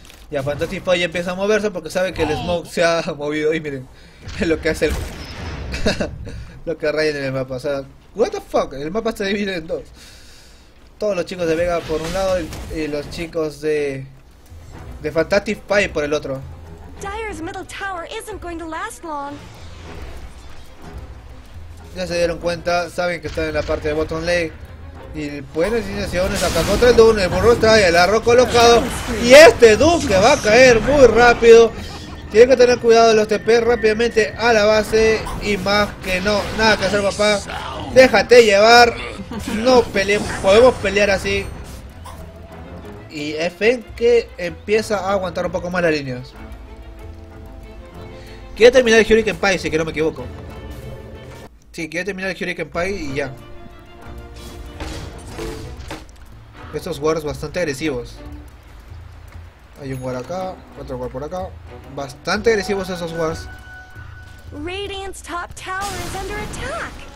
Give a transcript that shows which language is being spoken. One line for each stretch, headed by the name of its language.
Spanish: Ya Fantastic Five ya empieza a moverse porque sabe que el smoke se ha movido. Y miren lo que hace el... Lo que rayen en el mapa, o sea,
English: what the fuck,
Spanish: el mapa se divide en dos. Todos los chicos de Vega por un lado y los chicos de Fantastic Pie por el otro.
English: Dire's middle tower isn't going to last long.
Spanish: Ya se dieron cuenta, saben que están en la parte de Bottom Lake. Y buenas iniciaciones acá contra el Doom, el burro trae el arroz colocado. Y este Doom que va a caer muy rápido. Tiene que tener cuidado de los TP rápidamente a la base. Y más que no, nada que hacer, papá. Déjate llevar. No peleemos, podemos pelear así. Y FN que empieza a aguantar un poco más las líneas. Quiere terminar el Hurricane Pie, si que no me equivoco. Sí, quiere terminar el Hurricane Pie y ya. Estos wards bastante agresivos. Hay un ward acá, otro ward por acá. Bastante agresivos esos wards.
English: Radiant's top tower is under attack.